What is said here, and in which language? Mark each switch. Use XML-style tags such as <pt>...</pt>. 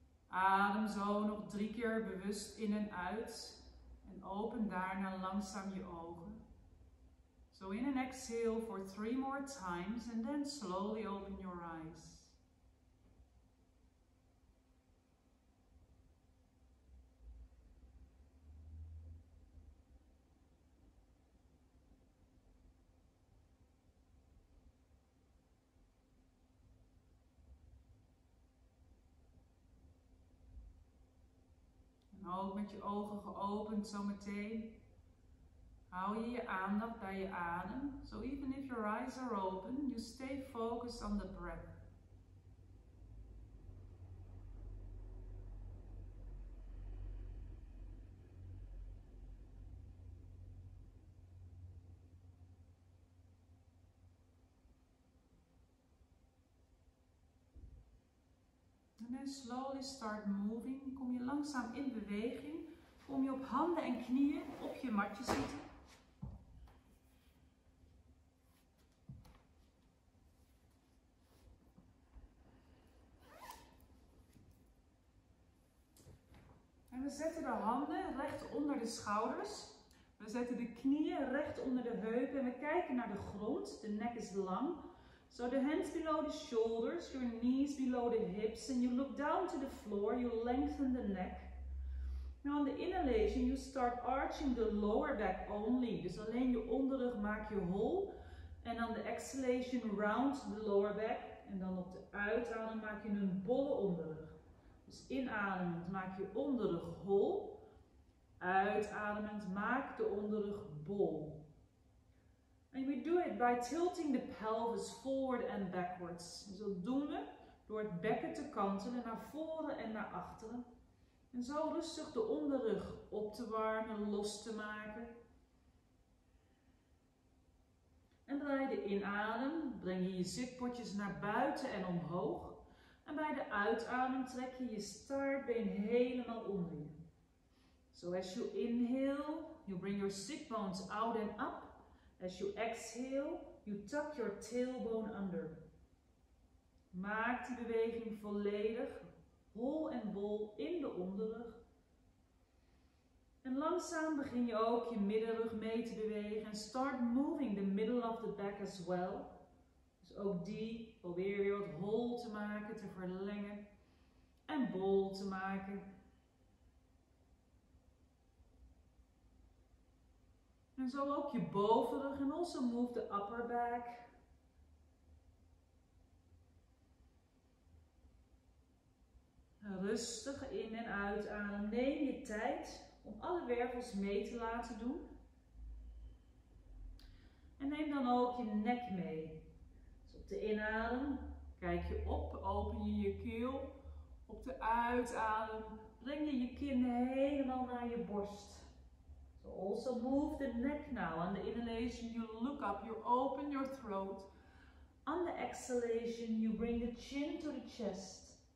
<nl>Adem zo nog 3 keer bewust in en uit. En open daarna langzaam je ogen.</nl> <en>So in and exhale for 3 more times and then slowly open your eyes.</en> <nl>Ook met je ogen geopend zometeen. Hou je je aandacht bij je adem.</nl> <en>So even if your eyes are open, you stay focused on the breath.</en> <nl>En</nl> <en>slowly start moving.</en> <nl>Kom je langzaam in beweging. Kom je op handen en knieën op je matje zitten. En we zetten de handen recht onder de schouders. We zetten de knieën recht onder de heupen. En we kijken naar de grond. De nek is lang.</nl> <en>So the hands below the shoulders, your knees below the hips, and you look down to the floor, you lengthen the neck. Now on the inhalation, you start arching the lower back only.</en> <nl>Dus alleen je onderrug maak je hol. En</nl> <en>on the exhalation, round the lower back.</en> <nl>En dan op de uitadem maak je een bolle onderrug. Dus inademend maak je onderrug hol. Uitademend maak de onderrug bol.</nl> <en>And we do it by tilting the pelvis forward and backwards.</en> <nl>Zo doen we door het bekken te kantelen naar voren en naar achteren. En zo rustig de onderrug op te warmen, los te maken. En bij de inadem breng je je zitpotjes naar buiten en omhoog. En bij de uitadem trek je je staartbeen helemaal onder je.</nl> <en>So as you inhale, you bring your sit bones out and up. As you exhale, you tuck your tailbone under.</en> <nl>Maak die beweging volledig, hol en bol in de onderrug. En langzaam begin je ook je middenrug mee te bewegen. En</nl> <en>start moving the middle of the back as well.</en> <nl>Dus ook die probeer je wat hol te maken, te verlengen. En bol te maken. En zo ook je bovenrug en</nl> <en>also move the upper back.</en> <nl>Rustig in- en uitadem. Neem je tijd om alle wervels mee te laten doen. En neem dan ook je nek mee. Dus op de inadem kijk je op, open je je keel. Op de uitadem breng je je kin helemaal naar je borst.</nl> <en>Also move the neck now. On the inhalation, you look up, you open your throat. On the exhalation, you bring the chin to the chest.</en>